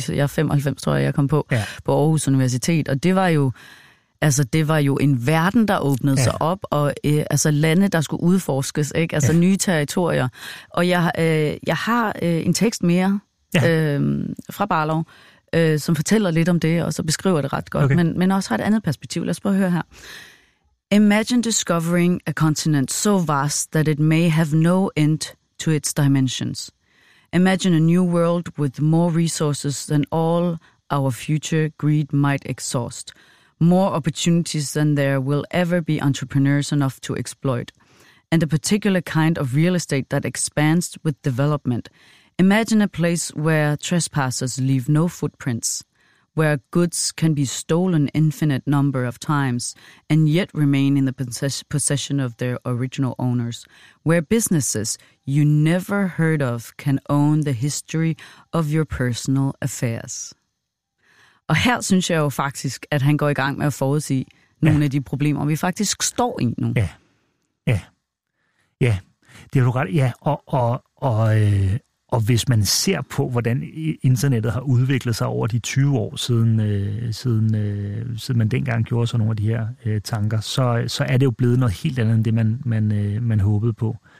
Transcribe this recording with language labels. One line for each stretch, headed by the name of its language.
Danish: Jeg er 95, tror jeg, jeg kom på på Aarhus Universitet, og det var jo en verden, der åbnede sig op, og lande, der skulle udforskes, ikke? Altså nye territorier. Og jeg har en tekst mere, fra Barlow, som fortæller lidt om det, og så beskriver det ret godt, okay. men også har et andet perspektiv. Lad os prøve at høre her.
English: Imagine discovering a continent so vast that it may have no end to its dimensions. Imagine a new world with more resources than all our future greed might exhaust. More opportunities than there will ever be entrepreneurs enough to exploit. And a particular kind of real estate that expands with development. Imagine a place where trespassers leave no footprints, where goods can be stolen infinite number of times and yet remain in the possession of their original owners, where businesses you never heard of can own the history of your personal affairs.
Danish: Og her synes jeg jo faktisk, at han går i gang med at forudse nogle af de problemer, vi faktisk står i nu. Ja. Det er du ret. Og hvis man ser på, hvordan internettet har udviklet sig over de 20 år, siden man dengang gjorde sig nogle af de her tanker, så er det jo blevet noget helt andet, end det man håbede på.